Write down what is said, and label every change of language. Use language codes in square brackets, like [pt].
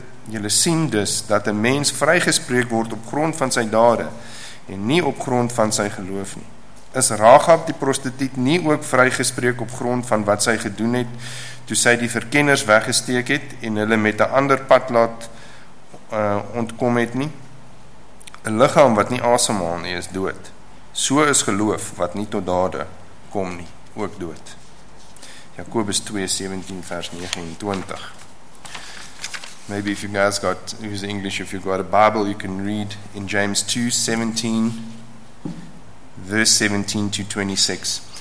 [af] Julle sien dus dat 'n mens vrygespreek word op grond van sy dade en nie op grond van sy geloof nie. Is Rahab die prostituut nie ook vrygespreek op grond van wat sy gedoen het toe sy die verkenners weggesteek het en hulle met 'n ander pad laat ontkom het nie? 'N liggaam wat nie asemhaal nie is dood. So is geloof wat nie tot dade kom nie, ook dood. Jakobus 2:17 vers 29. [en] Maybe if you guys got, who's English, if you've got a Bible, you can read in James 2:17, verse 17 to 26.